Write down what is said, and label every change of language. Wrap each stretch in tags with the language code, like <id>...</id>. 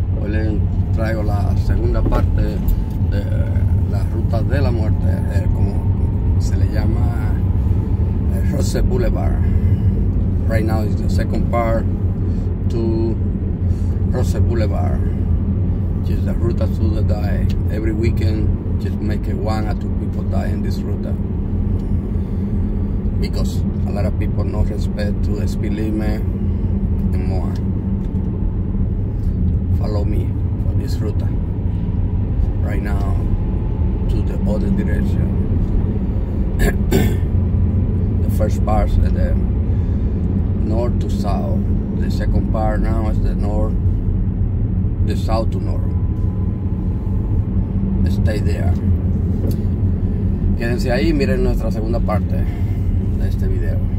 <es>Hoy les traigo la segunda parte de la ruta de la muerte, como se le llama, Rose Boulevard.</es> <en>Right now is the second part to Rose Boulevard, just the route to the die. Every weekend, just make it one or two people die in this route, because a lot of people no respect to the speed limit and more. Follow me for this route. Right now, to the other direction. The first part is the north to south. The second part now is the north, the south to north. Stay there.</en> <es>Quédense ahí y miren nuestra segunda parte de este video.</es>